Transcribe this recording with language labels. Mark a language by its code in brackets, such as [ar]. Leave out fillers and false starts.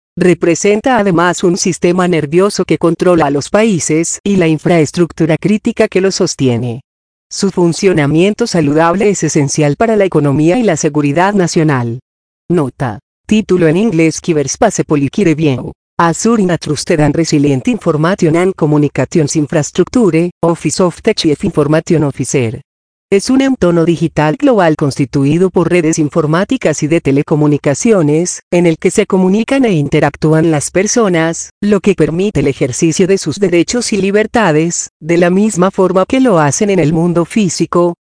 [es] Representa además un sistema nervioso que controla a los países y la infraestructura crítica que lo sostiene. Su funcionamiento saludable es esencial para la economía y la seguridad nacional. Nota. Título en inglés: Cyberspace Policy Review. [en] Assure a trusted and resilient information and communications infrastructure, Office of the Chief Information Officer. [es] Es un entorno digital global constituido por redes informáticas y de telecomunicaciones, en el que se comunican e interactúan las personas, lo que permite el ejercicio de sus derechos y libertades, de la misma forma que lo hacen en el mundo físico.